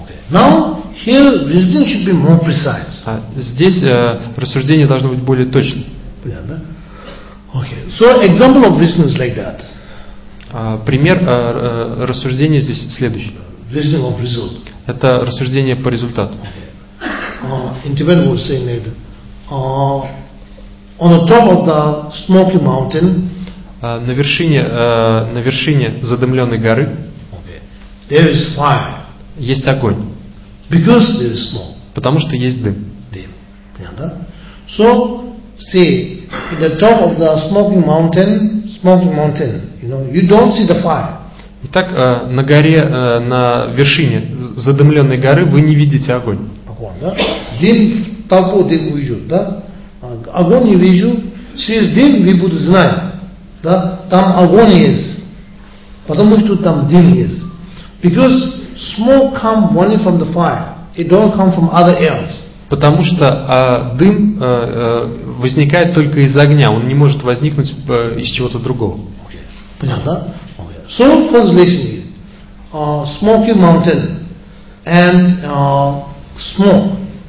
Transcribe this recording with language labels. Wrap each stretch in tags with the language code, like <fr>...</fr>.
<en>Now here reasoning should be more precise.</en> <ru>Здесь рассуждение должно быть более точным.</ru> <en>Okay. So example of reasoning is like that.</en> <ru>Пример рассуждения здесь следующий.</ru> <en>Reasoning of result.</en> <ru>Это рассуждение по результату.</ru> <en>In Tibet, we were saying that on the top of the smoky mountain,</en> <ru>на вершине задымленной горы,</ru> <en>okay, there is fire.</en> <ru>Есть огонь.</ru> <en>Because there is smoke.</en> <ru>Потому что есть дым. Дым. Понятно?</ru> <en>So, see, in the top of the smoky mountain, you know, you don't see the fire.</en> <ru>Итак, на горе, на вершине задымленной горы вы не видите огонь. Дым, табу дым уйдет, да? Огонь не вижу. Через дым мы будем знать, да? Там огонь есть, потому что там дым есть.</ru> <en>Because smoke come only from the fire, it don't come from other else.</en> <ru>Потому что дым возникает только из огня, он не может возникнуть из чего-то другого. Понятно?</ru> <en>Okay. So first listen, smoky mountain and smoke.</en>